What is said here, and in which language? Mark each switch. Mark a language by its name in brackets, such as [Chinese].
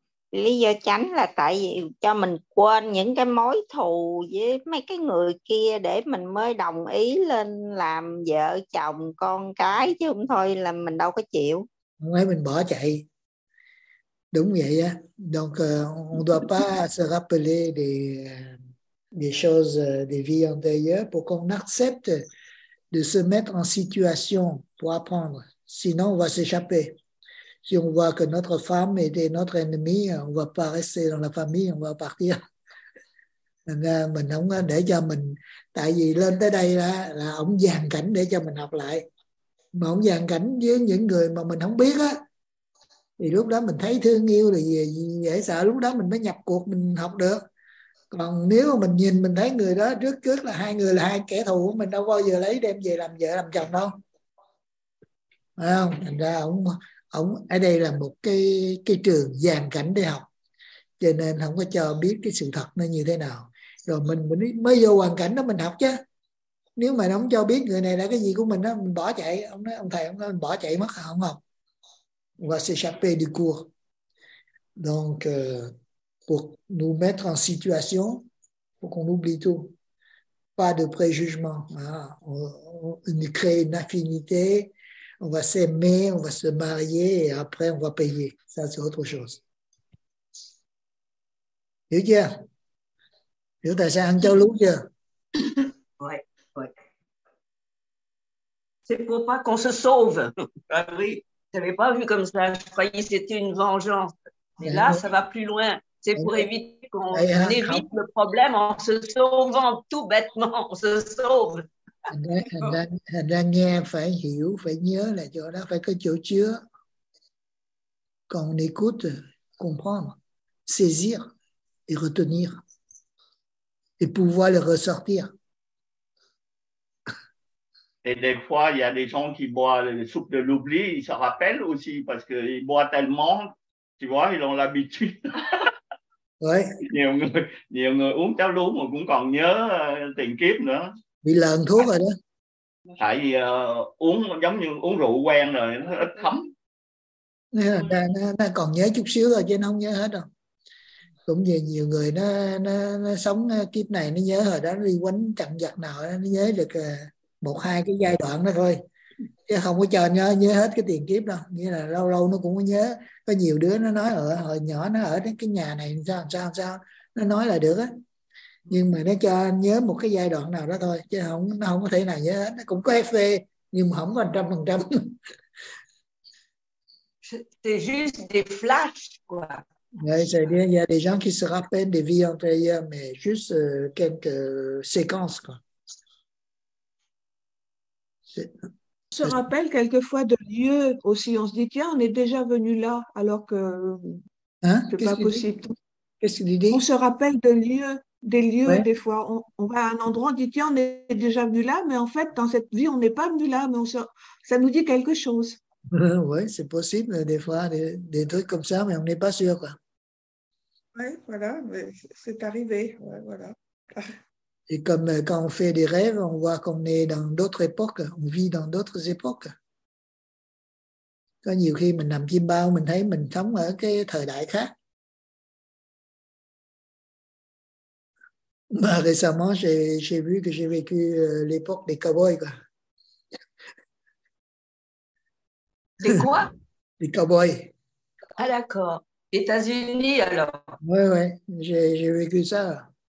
[Vietnamese] Lý do chánh là tại vì cho mình quên những cái mối thù với mấy cái người kia để mình mới đồng ý lên làm vợ chồng con cái, chứ không thôi là mình đâu có chịu. Không ấy mình bỏ chạy. Đúng vậy á. [French] Donc on doit pas se rappeler des choses des vies antérieures pour qu'on accepte de se mettre en situation pour apprendre. Sinon, on va s'échapper. Si on voit que notre femme était notre ennemi, on ne va pas rester dans la famille, on va partir. [Vietnamese] Mình không để cho mình, tại vì lên tới đây là ông dàn cảnh để cho mình học lại. Mà ông dàn cảnh với những người mà mình không biết á, thì lúc đó mình thấy thương yêu thì dễ sợ, lúc đó mình mới nhập cuộc, mình học được. Còn nếu mà mình nhìn mình thấy người đó trước là hai người là hai kẻ thù, mình đâu bao giờ lấy đem về làm vợ làm chồng đâu, phải không? Thành ra ông ở đây là một cái trường dàn cảnh để học, cho nên không có cho biết cái sự thật nó như thế nào, rồi mình mới vô hoàn cảnh đó mình học chứ. Nếu mà nó không cho biết người này là cái gì của mình á, mình bỏ chạy. Ông nói ông thầy ông nói mình bỏ chạy mất, không học. Và [French] se chapper du cours. Donc pour nous mettre en situation, pour qu'on oublie tout. Pas de préjugement. Hein? On crée une affinité, on va s'aimer, on va se marier, et après on va payer. Ça, c'est autre chose. [Vietnamese] Hiểu chưa? Hiểu tại sao ăn châu lú chưa? [French] Oui. C'est pour pas qu'on se sauve. Ah oui, je n'avais pas vu comme ça. Je croyais que c'était une vengeance. Mais là, ça va plus loin. C'est pour éviter qu'on évite le problème en se sauvant tout bêtement, on se sauve. [Vietnamese] Thành ra nghe phải hiểu, phải nhớ là chỗ đó phải có chỗ chứa. [French] Quand on écoute, comprendre, saisir et retenir et pouvoir le ressortir. Et des fois, il y a des gens qui boivent la soupe de l'oubli, ils se rappellent aussi parce qu'ils boivent tellement, tu vois, ils ont l'habitude. Ouais. [Vietnamese] Nhiều người uống cháo lú mà cũng còn nhớ tiền kiếp nữa. Bị lờn thuốc rồi đó. Tại vì uống giống như uống rượu quen rồi, nó ít thấm. Nó còn nhớ chút xíu rồi chứ nó không nhớ hết đâu. Cũng như nhiều người nó sống kiếp này nó nhớ hồi đó nó đi quánh chặn giặc nào đó, nó nhớ được một hai cái giai đoạn đó thôi. Chứ không có chờ nhớ hết cái tiền kiếp đâu. Nghĩa là lâu lâu nó cũng có nhớ. Có nhiều đứa nó nói ở hồi nhỏ nó ở cái nhà này sao. Nó nói là được á. Nhưng mà nó cho nhớ một cái giai đoạn nào đó thôi. Chứ không, nó không có thể nào nhớ hết. Nó cũng có FV nhưng mà không có 100%. [French] C'est juste des flashs, quoi. Oui, c'est bien. Il y a des gens qui se rappellent des vies antérieures, mais juste quelques séquences, quoi. On se rappelle quelquefois de lieux aussi. On se dit, tiens, on est déjà venu là, alors que hein? C'est pas possible. Qu'est-ce que tu dis? On se rappelle de lieux, des lieux, ouais. Des fois. On va à un endroit, on dit, tiens, on est déjà venu là, mais en fait, dans cette vie, on n'est pas venu là, mais ça nous dit quelque chose. Oui, c'est possible des fois, des trucs comme ça, mais on n'est pas sûr, quoi. Oui, voilà, mais c'est arrivé, ouais, voilà. Et comme quand on fait des rêves, on voit qu'on est dans d'autres époques, on vit dans d'autres époques. [Vietnamese] Có nhiều khi mình nằm chiêm bao, mình thấy mình sống ở cái thời đại khác. [French] Mais récemment, j'ai vu que j'ai vécu l'époque des cow-boys, quoi. C'est quoi? Les cow-boys. Ah d'accord. États-Unis alors. Oui, oui. J'ai vécu ça.